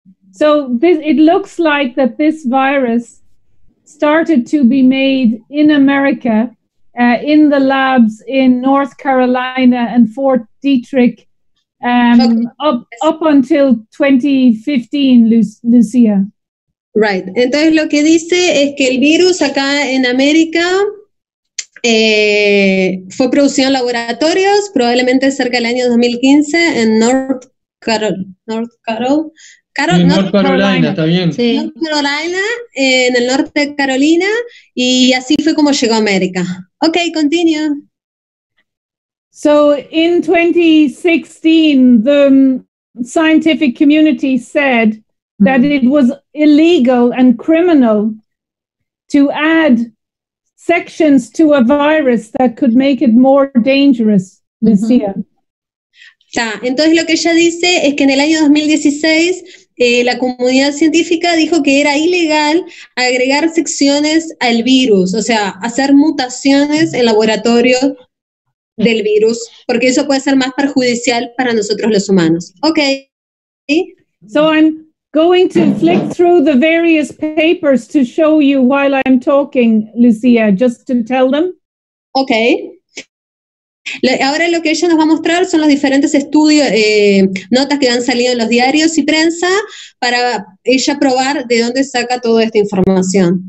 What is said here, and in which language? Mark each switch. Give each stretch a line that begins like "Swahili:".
English: So it looks like that this virus started to be made in America, in the labs in North Carolina and Fort Detrick, up until 2015, Lucia. Right.
Spanish: Entonces lo que dice es que el virus acá en América fue producido en laboratorios, probablemente cerca del año 2015 en North Carolina, en el norte de Carolina, y así fue como llegó a América.
English: Okay, continue. So in 2016, the scientific community said that it was illegal and criminal to add sections to a virus that could make it more dangerous, Lucia.
Spanish: Entonces lo que ella dice es que en el año 2016 la comunidad científica dijo que era ilegal agregar secciones al virus, o sea, hacer mutaciones en laboratorio del virus, porque eso puede ser más perjudicial para nosotros los humanos.
English: Okay. So I'm going to flick through the various papers to show you while I'm talking, Lucia, just to tell them. Okay.
Spanish: Ahora lo que ella nos va a mostrar son los diferentes estudios, notas que han salido en los diarios y prensa para ella probar de dónde saca toda esta información.